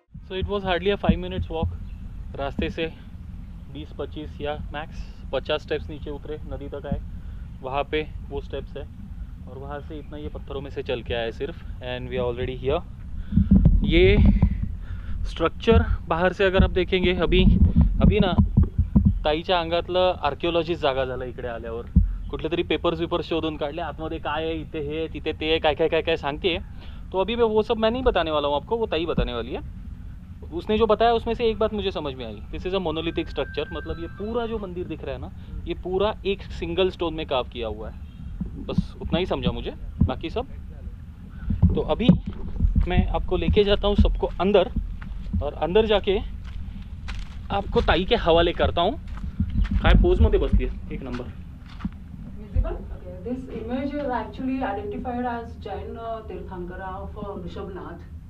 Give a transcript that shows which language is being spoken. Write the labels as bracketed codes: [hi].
[en] it was hardly a 5 minutes walk [hi] रास्ते से, 20-25 या मैक्स 50 स्टेप्स नीचे उतरे नदी तक आए, वहाँ पे वो स्टेप्स है, और वहाँ से इतना ये पत्थरों में से चल के आए सिर्फ, [en] And we are already here. [hi] ये स्ट्रक्चर बाहर से अगर आप देखेंगे, [mr] अभी अभी ना ताईच्या अंगातलं आर्कियोलॉजी जागा झाला, इकडे आल्यावर कुठले तरी पेपर्स वेपर्स शोधून काढले, आतमध्ये काय आहे, इथे हे तिथे ते काय काय काय काय सांगते, [hi] तो अभी वो सब मैं नहीं बताने वाला हूँ आपको, वो ताई बताने वाली है। उसने जो बताया उसमें से एक बात मुझे समझ में आई, [en] this is a monolithic structure, [hi] मतलब ये पूरा जो मंदिर दिख रहा है ना ये पूरा एक सिंगल स्टोन में कार्व किया हुआ है, बस उतना ही समझा मुझे, बाकी सब। तो अभी मैं आपको लेके जाता हूँ सबको अंदर, और अंदर जाके आपको ताई के हवाले करता हूँ। हाय पोज मत बसती है, एक number. [en] temple. This image is actually identified as Jain Tirthankara of Rishabhnath.